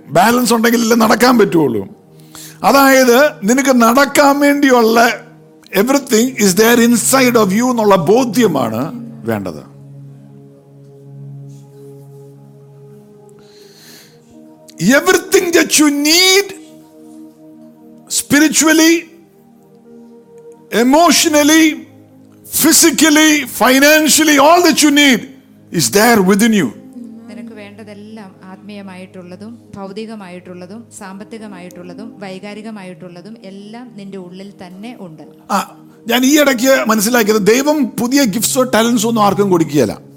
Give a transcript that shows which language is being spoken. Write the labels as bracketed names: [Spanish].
[Malayalam] Balance ഉണ്ടെങ്കിൽ അല്ലേ നടക്കാൻ പറ്റുള്ളൂ. അതായത് നിനക്ക് നടക്കാൻ വേണ്ടിയുള്ള [English] everything is there inside of you [Malayalam] എന്നുള്ള ബോധ്യമാണ് വേണ്ടത്. [English] Everything that you need spiritually, emotionally, physically, financially, all that you need is there within you. [Malayalam] നിനക്ക് വേണ്ടതെല്ലാം ആത്മീയമായിട്ടുള്ളതും ഭൗതികമായിട്ടുള്ളതും സാമ്പത്തികമായിട്ടുള്ളതും വൈകാരികമായിട്ടുള്ളതും എല്ലാം നിന്റെ ഉള്ളിൽ തന്നെ ഉണ്ട്. ഞാൻ ഈ ഇടയ്ക്ക് മനസ്സിലാക്കിയത് ദൈവം പുതിയ ഗിഫ്റ്റ്സോ ടാലൻസോ ഒന്നും ആർക്കും കൊടുക്കുകയല്ല.